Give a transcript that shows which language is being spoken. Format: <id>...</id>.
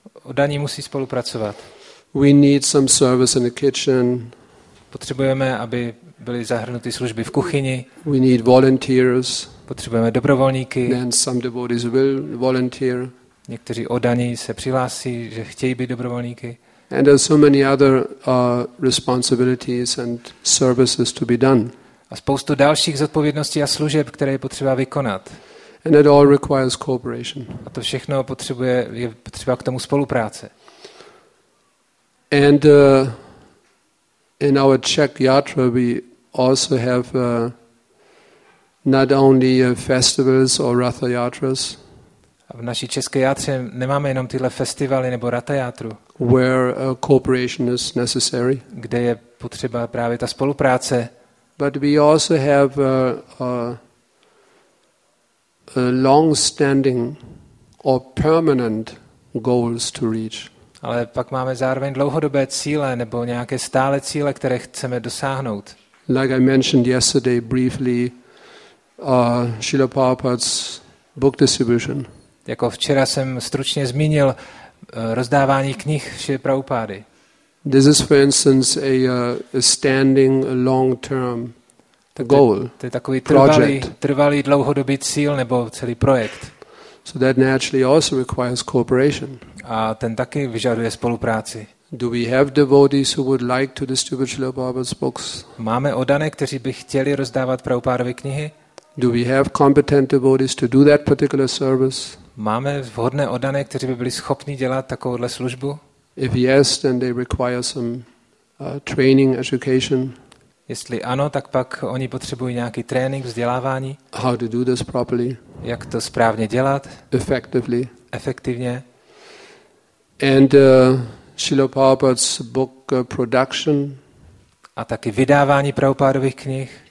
<cs>Oddaní musí spolupracovat.</cs> <en>We need some service in the kitchen.</en> <cs>Potřebujeme, aby byly zahrnuty služby v kuchyni.</cs> <en>We need volunteers.</en> <cs>Potřebujeme dobrovolníky.</cs> <en>Then some devotees will volunteer.</en> <cs>Někteří oddaní se přihlásí, že chtějí být dobrovolníky.</cs> <en>And there are so many other responsibilities and services to be done.</en> <cs>A spoustu dalších zodpovědností a služeb, které je potřeba vykonat.</cs> <en>And it all requires cooperation.</en> <cs>A to všechno potřebuje, je potřeba k tomu spolupráce.</cs> <en>And in our Czech yatra we also have not only festivals or ratha yatras.</en> <cs>A v naší české játře nemáme jenom tyhle festivaly nebo ratha játru.</cs> <en>Where cooperation is necessary.</en> <cs>Kde je potřeba právě ta spolupráce.</cs> <en>But we also have a long-standing or permanent goals to reach.</en> <cs>Ale pak máme zároveň dlouhodobé cíle nebo nějaké stále cíle, které chceme dosáhnout.</cs> <en>Like I mentioned yesterday briefly, Srila Prabhupada's book distribution.</en> <cs>Jako včera jsem stručně zmínil rozdávání knih Srila Prabhupády.</cs> <en>This is, for instance, a standing long-term.</en> <cs>To je takový trvalý dlouhodobý cíl nebo celý projekt.</cs> <en>So that naturally also requires cooperation.</en> <cs>A ten taky vyžaduje spolupráci.</cs> <en>Do we have devotees who would like to distribute Srila Prabhupada's books?</en> <cs>Máme oddané, kteří by chtěli rozdávat Prabhupádovy knihy?</cs> <en>Do we have competent devotees to do that particular service?</en> <cs>Máme vhodné oddané, kteří by byli schopni dělat takovouhle službu?</cs> <en>If yes, then they require some training, education.</en> <cs>Jestli ano, tak pak oni potřebují nějaký trénink, vzdělávání.</cs> <en>How to do this properly?</en> <cs>Jak to správně dělat?</cs> <en>Effectively.</en> <cs>Efektivně.</cs> <en>And Srila Prabhupada's book production.</en> <cs>A taky vydávání Prabhupádových knih.</cs>